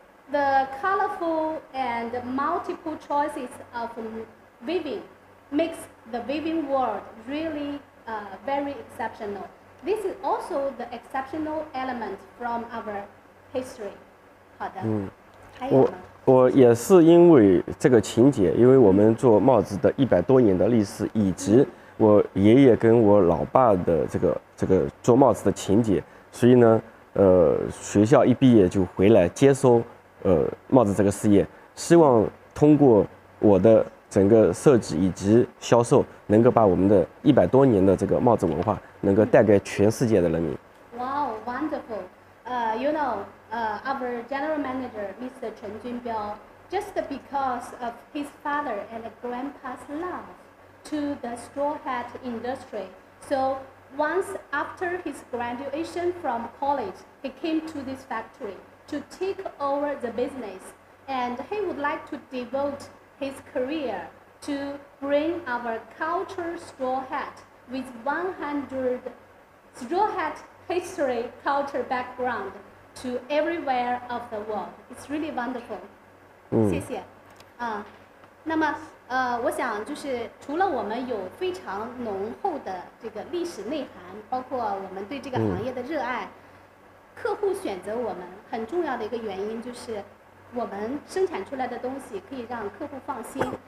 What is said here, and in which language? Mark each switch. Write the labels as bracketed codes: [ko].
[en] The colorful and multiple choices of weaving makes the weaving world really very exceptional. This is also the exceptional element from our history. [zh] 好的，我也是因为这个情节，因为我们做帽子的100多年的历史，以及我爷爷跟我老爸的这个做帽子的情节，所以呢，学校一毕业就回来接收帽子这个事业，希望通过我的整个设计以及销售，能够把我们的100多年的这个帽子文化能够带给全世界的人民。 [en] Wow, wonderful. You know. Our general manager, Mr. Chen Junbiao, just because of his father and grandpa's love to the straw hat industry. So once after his graduation from college, he came to this factory to take over the business. And he would like to devote his career to bring our culture straw hat with 100 straw hat history culture background. To everywhere of the world, it's really wonderful. [zh] 谢谢。那么我想就是除了我们有非常浓厚的这个历史内涵，包括我们对这个行业的热爱，客户选择我们很重要的一个原因就是我们生产出来的东西可以让客户放心。